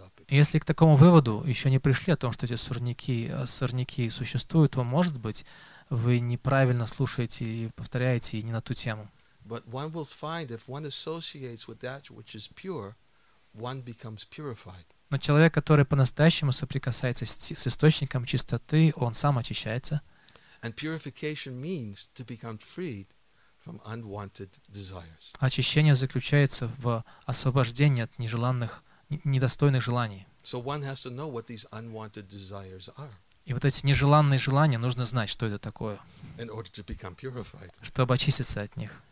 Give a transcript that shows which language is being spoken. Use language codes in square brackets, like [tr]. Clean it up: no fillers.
[ru] Если к такому выводу еще не пришли о том, что эти сорняки существуют, то, может быть, вы неправильно слушаете и повторяете и не на ту тему. [en] But one will find, if one associates with that which is pure, one becomes purified. [ru] Но человек, который по-настоящему соприкасается с источником чистоты, он сам очищается. [en] And purification means to become freed from unwanted desires. [ru] Очищение заключается в освобождении от нежеланных, недостойных желаний. [en] So one has to know what these unwanted desires are. [ru] И вот эти нежеланные желания, нужно знать, что это такое. [en] In order to become purified. [ru] Чтобы очиститься от них.